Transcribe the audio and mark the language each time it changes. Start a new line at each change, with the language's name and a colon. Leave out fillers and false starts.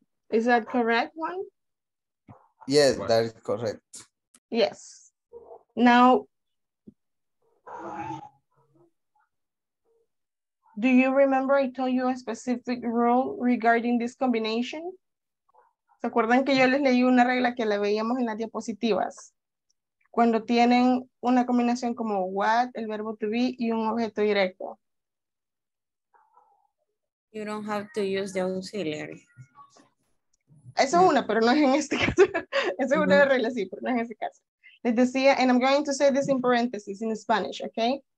English: Is that correct one? Yes, that is correct. Yes. Now, do you remember I told you a specific rule regarding this combination?
Spanish: ¿Se acuerdan que yo les leí una regla que la veíamos en las diapositivas? Cuando tienen una combinación como what, el verbo to be, y un objeto directo.
English: You don't have to use the auxiliary.
Spanish: Eso es una, pero no es en este caso. Eso es una regla, sí, pero no es en este caso. Les decía,
English: and I'm going to say this in parentheses in Spanish, okay?